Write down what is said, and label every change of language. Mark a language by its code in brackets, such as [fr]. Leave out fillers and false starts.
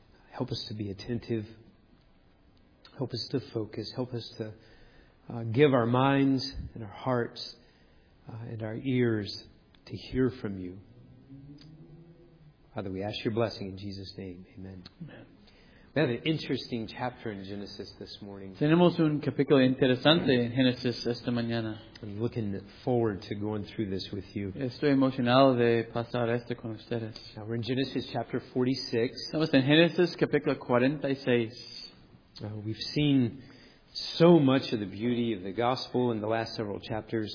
[en] Help us to be attentive. Help us to focus. Help us to give our minds and our hearts and our ears to hear from you. Father, we ask your blessing in Jesus' name. Amen. Amen. We have an interesting chapter in Genesis this morning. [es] Tenemos un capítulo interesante en Génesis esta mañana. [en] I'm looking forward to going through this with you. [es] Estoy emocionado de pasar esto con ustedes. [en] Now we're in Genesis chapter 46. [es] Estamos en Génesis capítulo 46. [en] We've seen so much of the beauty of the gospel in the last several chapters.